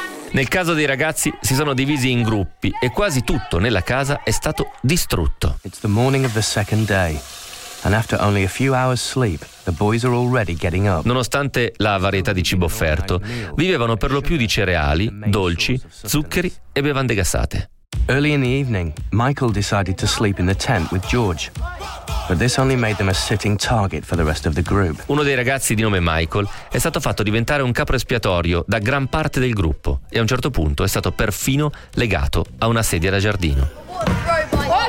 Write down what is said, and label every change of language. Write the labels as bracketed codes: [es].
[it] Nel caso dei ragazzi si sono divisi in gruppi e quasi tutto nella casa è stato distrutto. [en] It's the morning of the second day, and after only a few hours sleep, the boys are already getting up. [it] Nonostante la varietà di cibo offerto, vivevano per lo più di cereali, dolci, zuccheri e bevande gassate. [en] Early in the evening, Michael decided to sleep in the tent with George. But this only made them a sitting target for the rest of the group. [it] Uno dei ragazzi di nome Michael è stato fatto diventare un capro espiatorio da gran parte del gruppo e a un certo punto è stato perfino legato a una sedia da giardino.